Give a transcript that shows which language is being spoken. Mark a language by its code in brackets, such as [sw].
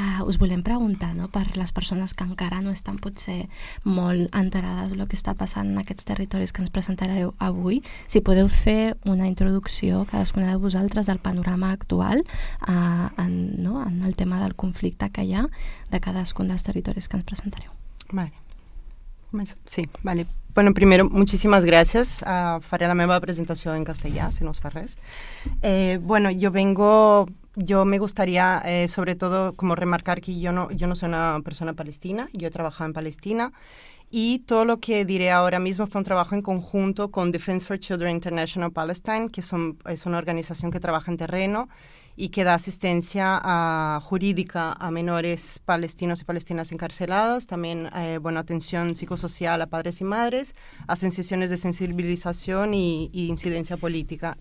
[ca] Us volem preguntar, no, per les persones que encara no estan potser molt enterades del que està passant en aquests territoris que ens presentareu avui, si podeu fer una introducció, cadascuna de vosaltres, del panorama actual en el tema del conflicte que hi ha de cadascun dels territoris que ens presentareu. [es] Vale. Sí, vale. Bueno, primero, muchísimas gracias. [ca] Faré la meva presentació en castellà, si no es fa res. [es] Bueno, yo me gustaría sobre todo como remarcar que yo no soy una persona palestina, yo he trabajado en Palestina y todo lo que diré ahora mismo fue un trabajo en conjunto con Defense for Children International Palestine, que es una organización que trabaja en terreno y que da asistencia jurídica a menores palestinos y palestinas encarcelados, también buena atención psicosocial a padres y madres, hacen sesiones de sensibilización y incidencia política.